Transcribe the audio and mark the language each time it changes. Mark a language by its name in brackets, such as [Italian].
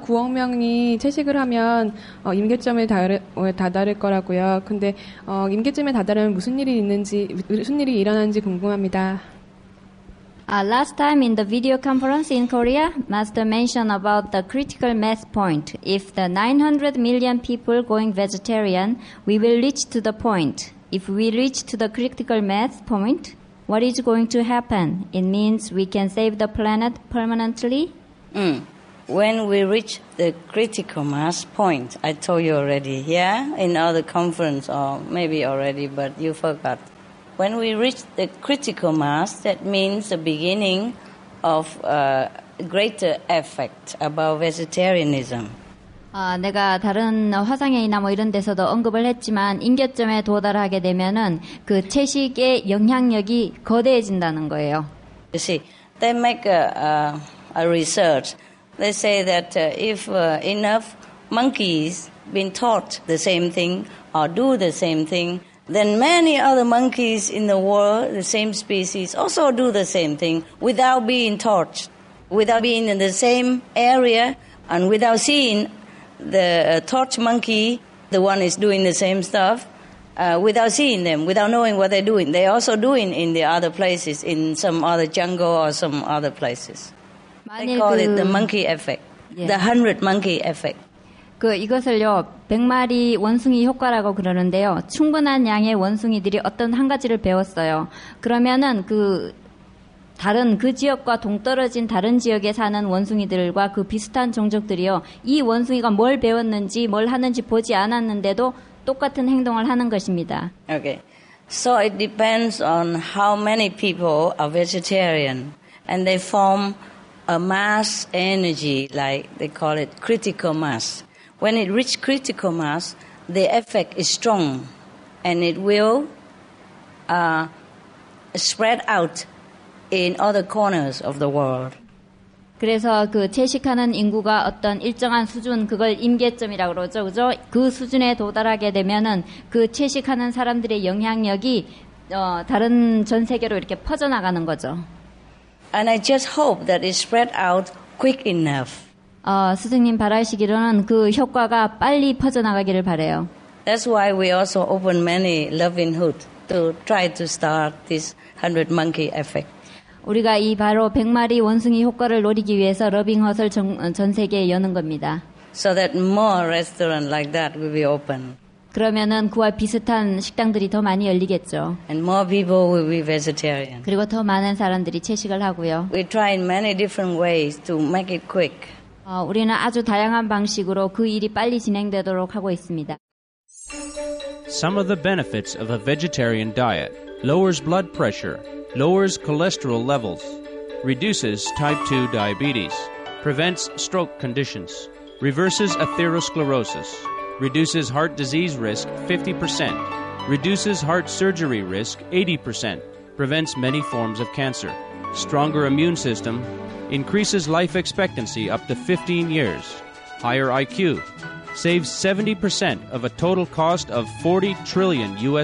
[Korean] 9억 명이 채식을 하면 임계점에 다다를 거라고요. 근데 임계점에 다다르면 무슨 일이 일어나는지 궁금합니다. [English] Last time in the video conference in Korea, Master mentioned about the critical mass point. If the 900 million people going vegetarian, we will reach to the point. If we reach to the critical mass point, what is going to happen? It means we can save the planet permanently? When we reach the critical mass point, I told you already, yeah? In other conference, or maybe already, but you forgot. When we reach the critical mass, that means the beginning of a greater effect about vegetarianism. [Korean] 내가 다른 화상회의나 뭐 이런 데서도 언급을 했지만 임계점에 도달하게 되면은 그 채식의 영향력이 거대해진다는 거예요. [English] You see, they make a research. They say that if enough monkeys been taught the same thing or do the same thing, then many other monkeys in the world, the same species, also do the same thing without being taught, without being in the same area, and without seeing the taught monkey, the one is doing the same stuff, without seeing them, without knowing what they're doing. They're also doing in the other places, in some other jungle or some other places. They call it the monkey effect, the 100 monkey effect. [Korean] 이것을요, 100마리 원숭이 효과라고 그러는데요. 충분한 양의 원숭이들이 어떤 한 가지를 배웠어요. 그러면은 다른 그 지역과 동떨어진 다른 지역에 사는 원숭이들과 그 비슷한 종족들이요. 이 원숭이가 뭘 배웠는지, 뭘 하는지 보지 않았는데도 똑같은 행동을 하는 것입니다. [English] Okay. So it depends on how many people are vegetarian and they form a mass energy, like they call it critical mass. When it reaches critical mass, the effect is strong and it will spread out in other corners of the world. [Korean] 그래서 그 채식하는 인구가 어떤 일정한 수준, 그걸 임계점이라고 그러죠. 그죠? 그 수준에 도달하게 되면은 그 채식하는 사람들의 영향력이 다른 전 세계로 이렇게 퍼져나가는 거죠. [English] And I just hope that it spread out quick enough. [Korean] 스승님 바라시기로는 그 효과가 빨리 퍼져나가기를 바래요. [English] That's why we also open many loving hood to try to start this 100 monkey effect. [Korean] 우리가 이 바로 100마리 원숭이 효과를 노리기 위해서 러빙헛을 전 세계에 여는 겁니다. [English] So that more restaurants like that will be open. [Korean] 그러면은 그와 비슷한 식당들이 더 많이 열리겠죠. [English] And more people will be vegetarian. [Korean] 그리고 더 많은 사람들이 채식을 하고요. [English] We try in many different ways to make it quick. [Korean] 우리는 아주 다양한 방식으로 그 일이 빨리 진행되도록 하고 있습니다. [English] Some of the benefits of a vegetarian diet: lowers blood pressure, lowers cholesterol levels, reduces type 2 diabetes, prevents stroke conditions, reverses atherosclerosis, reduces heart disease risk 50%, reduces heart surgery risk 80%, prevents many forms of cancer, stronger immune system, increases life expectancy up to 15 years, higher IQ, saves 70% of a total cost of $40 trillion